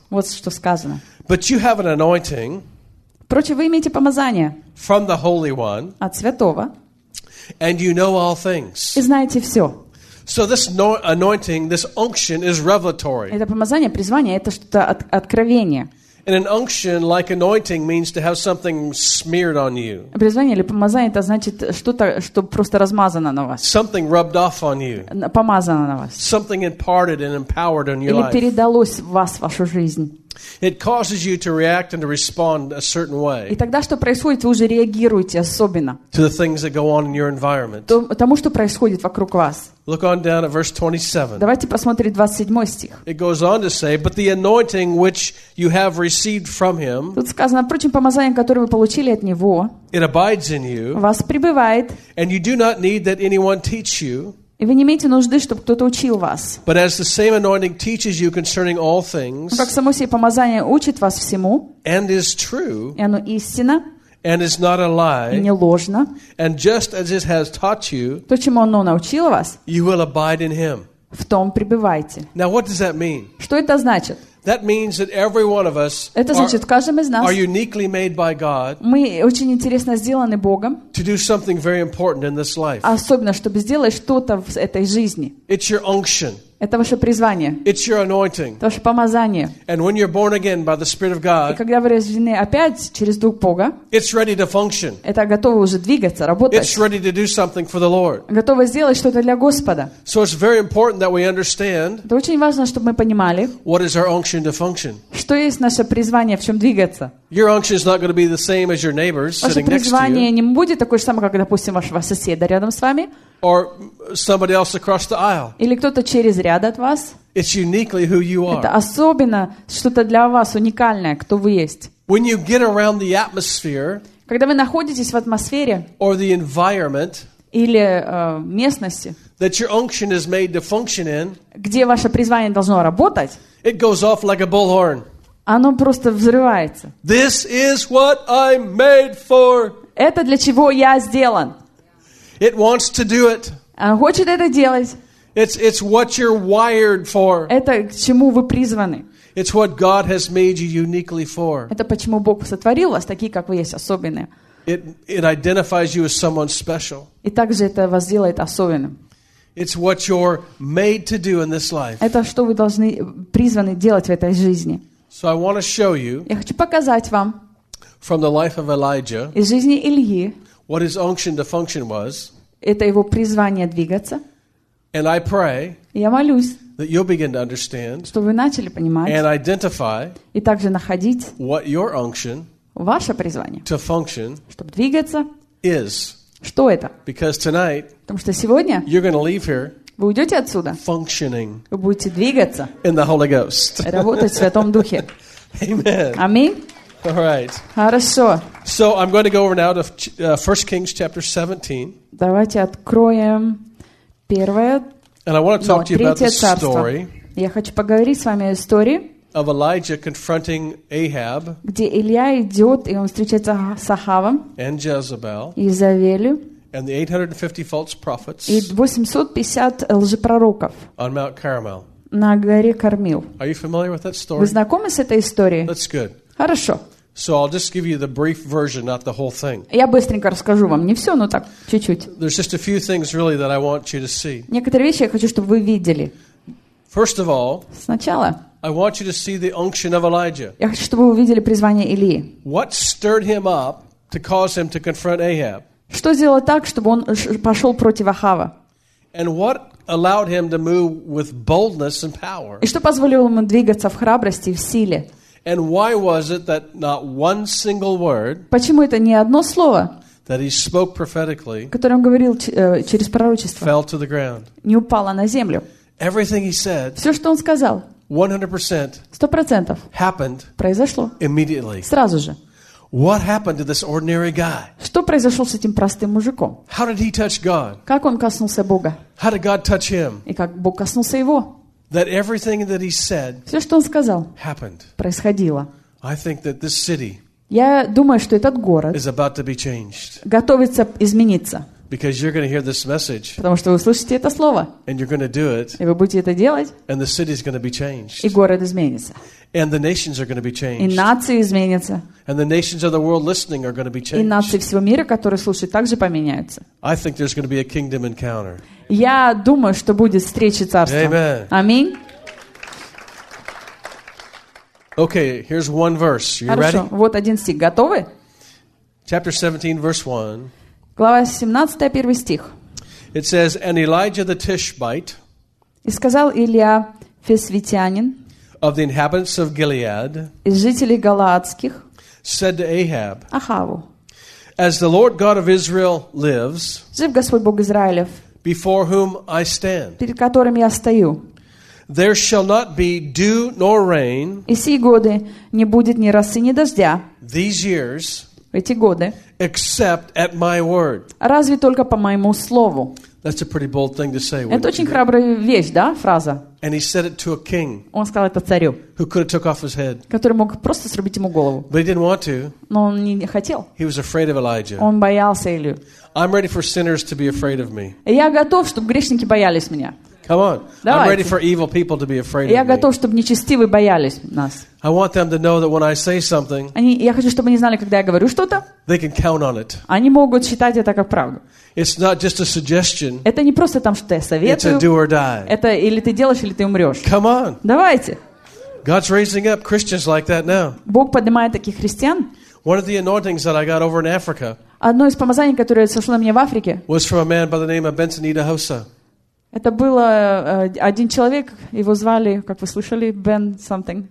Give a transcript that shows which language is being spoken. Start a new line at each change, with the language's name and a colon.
Russian: Вот что сказано.
English: But you have an anointing.
Russian: Впрочем, вы имеете помазание.
English: From the Holy One.
Russian: От Святого.
English: And you know all things.
Russian: И знаете все.
English: So this anointing, this unction is revelatory.
Russian: Это помазание, призвание, это что-то откровение.
English: And an unction, like anointing, means to have something smeared on you.
Russian: Призвание или помазание, это значит что-то, что просто размазано на вас.
English: Something rubbed off on you.
Russian: Помазано на вас.
English: Something imparted and empowered on your life.
Russian: Или передалось в вас, в вашу жизнь.
English: It causes you to react and to respond a certain way.
Russian: И тогда что происходит, вы уже реагируете особенно.
English: To the things that go on in your environment.
Russian: Тому, что происходит вокруг вас.
English: Look on down at verse 27.
Russian: Давайте посмотрим 27 стих.
English: It goes on to say, but the anointing which you have received from him.
Russian: Тут сказано, впрочем, помазание, которое вы получили от него.
English: It abides in you.
Russian: Вас пребывает.
English: And you do not need that anyone teach you.
Russian: И вы не имеете нужды, чтобы кто-то учил вас.
English: But as the same anointing teaches you concerning all things,
Russian: как само себе помазание учит вас всему,
English: and is true,
Russian: и оно истинно,
English: and is not a lie,
Russian: и не ложно,
English: and just as it has taught you,
Russian: то, чему оно научило вас,
English: you will abide in him.
Russian: В том пребывайте.
English: Now, what does that mean?
Russian: Что это значит?
English: That means that every one of us are uniquely made by God.
Russian: Мы очень интересно сделаны Богом.
English: To do something very important in this life.
Russian: Особенно чтобы сделать что-то в этой жизни.
English: It's your unction.
Russian: Это ваше призвание.
English: It's your anointing.
Russian: Это ваше помазание.
English: And when you're born again by the Spirit of God.
Russian: И когда вы рождены опять через Дух Бога.
English: It's ready to function.
Russian: Это готово уже двигаться, работать.
English: It's ready to do something for the Lord.
Russian: Готово сделать что-то для Господа.
English: So it's very important that we understand.
Russian: Это очень важно, чтобы мы понимали.
English: What is our unction to function?
Russian: Что есть наше призвание, в чем двигаться?
English: Your unction is not going to be the same as your neighbor's sitting next to you.
Russian: Ваше призвание не будет такое же самое, как, допустим, вашего соседа рядом с вами.
English: Or somebody else across the aisle.
Russian: Или кто-то через ряд от вас.
English: It's uniquely who you are.
Russian: Это особенно что-то для вас уникальное, кто вы есть.
English: When you get around the atmosphere.
Russian: Когда вы находитесь в атмосфере.
English: Or the environment.
Russian: Или местности.
English: That your unction is made to function in.
Russian: Где ваше призвание должно работать.
English: It goes off like a bullhorn.
Russian: Оно просто взрывается.
English: This is what I'm made for.
Russian: Это для чего я сделан.
English: It wants to do it.
Russian: Оно хочет это делать.
English: It's what you're wired for.
Russian: Это к чему вы призваны.
English: It's what God has made you uniquely for.
Russian: Это почему Бог сотворил вас такие, как вы есть, особенные.
English: It identifies you as someone special.
Russian: И также это вас делает особенным.
English: It's what you're made to do in this life.
Russian: Это что вы должны призваны делать в этой жизни.
English: So I want to show you.
Russian: Я хочу показать вам.
English: From the life of Elijah.
Russian: Из жизни Ильи.
English: What his unction to function was.
Russian: Это его призвание двигаться.
English: And I pray.
Russian: Я молюсь.
English: That you'll begin to understand.
Russian: Что вы начали понимать.
English: And identify.
Russian: И также находить.
English: What your unction.
Russian: Ваше призвание.
English: To function.
Russian: Чтобы двигаться.
English: Is.
Russian: Что это?
English: Because tonight,
Russian: потому что сегодня
English: you're going to leave here,
Russian: вы уйдете отсюда,
English: functioning,
Russian: вы будете двигаться,
English: in the Holy Ghost,
Russian: работать в Святом Духе.
English: Amen.
Russian: Аминь.
English: All right.
Russian: Хорошо.
English: So I'm going to go over now to 1 Kings chapter 17.
Russian: Давайте откроем первое.
English: And I want to talk to you about the story.
Russian: Я хочу поговорить с вами о истории.
English: Of Elijah confronting Ahab,
Russian: где Илья идет, и он встречается с Ахавом,
English: and Jezebel,
Russian: и Изавелью,
English: and the 850 false prophets,
Russian: и 850 лжепророков,
English: on Mount Carmel.
Russian: На горе Кармил.
English: Are you familiar with that story?
Russian: Вы знакомы с этой историей?
English: That's good.
Russian: Хорошо.
English: So I'll just give you the brief version, not the whole thing.
Russian: Я быстренько расскажу вам не все, но так чуть-чуть.
English: There's just a few things really that I want you to see.
Russian: Некоторые вещи я хочу, чтобы вы видели.
English: First of all,
Russian: сначала.
English: I want you to see the unction of Elijah.
Russian: Я хочу, чтобы вы увидели призвание Илии.
English: What stirred him up to cause him to confront Ahab?
Russian: Что сделало так, чтобы он пошел против Ахава?
English: And what allowed him to move with boldness and power?
Russian: И что позволило ему двигаться в храбрости и в силе?
English: And why was it that not one single word?
Russian: Почему это не одно слово?
English: That he spoke prophetically.
Russian: Которое он говорил через пророчество.
English: Fell to the ground.
Russian: Не упало на землю.
English: Everything he said.
Russian: Все, что он сказал.
English: 100% happened
Russian: произошло
English: immediately.
Russian: Сразу же.
English: What happened to this ordinary guy?
Russian: Что произошло с этим простым мужиком?
English: How did he touch God?
Russian: Как он коснулся Бога?
English: How did God touch him?
Russian: И как Бог коснулся его?
English: That everything that he said
Russian: все, что он сказал,
English: happened.
Russian: Происходило.
English: I think that this city
Russian: я думаю, что этот город
English: is about to be changed.
Russian: Готовится измениться.
English: Because you're going to hear this message,
Russian: потому что вы услышите это слово,
English: and you're going to do it,
Russian: и вы будете это делать,
English: and the city's going to be changed,
Russian: и город изменится,
English: and the nations are going to be changed,
Russian: и нации изменятся,
English: and the nations of the world listening are going to be changed,
Russian: и нации всего мира, которые слушают, также поменяются.
English: I think there's going to be a kingdom encounter.
Russian: Я думаю, что будет встреча царства.
English: Amen.
Russian: Аминь.
English: Okay, here's one verse. You
Russian: хорошо,
English: ready?
Russian: Вот один стих. Готовы?
English: Chapter 17, verse 1.
Russian: Глава 17, первый стих.
English: It says, and Elijah the Tishbite,
Russian: и сказал Илья Фесвитянин,
English: of the inhabitants of Gilead,
Russian: из жителей Галаадских,
English: said to Ahab,
Russian: Ахаву,
English: as the Lord God of Israel lives,
Russian: жив Господь Бог Израилев,
English: before whom I stand,
Russian: перед которым я стою,
English: there shall not be dew nor rain,
Russian: и сии годы не будет ни росы, ни дождя,
English: these years,
Russian: эти годы,
English: except at my word.
Russian: Разве только по моему слову.
English: That's a pretty bold thing to say.
Russian: Это очень храбрая вещь, да, фраза.
English: And he said it to a king.
Russian: Он сказал это царю.
English: Who could have took off his head.
Russian: Который мог просто срубить ему голову.
English: But he didn't want to.
Russian: Но он не хотел.
English: He was afraid of Elijah.
Russian: Он боялся Илью.
English: I'm ready for sinners to be afraid of me.
Russian: Я готов, чтобы грешники боялись меня.
English: Come on.
Russian: Давайте.
English: I'm ready for evil people to be afraid
Russian: я
English: of me.
Russian: Я готов, чтобы нечестивые боялись нас.
English: I want them to know that when I say something,
Russian: они, я хочу, чтобы они знали, когда я говорю что-то,
English: they can count on it.
Russian: Они могут считать это как правду.
English: It's not just a suggestion.
Russian: Это не просто там, что я советую.
English: It's a do or die.
Russian: Это или ты делаешь, или ты умрешь.
English: Come on.
Russian: Давайте.
English: God's raising up Christians like that now.
Russian: Бог поднимает таких христиан.
English: One of the anointings that I got over in Africa,
Russian: одно из помазаний, которое сошло на меня в Африке,
English: was from a man by the name of Benson Idahosa.
Russian: Это был один человек, его звали, как вы слышали, Бен something.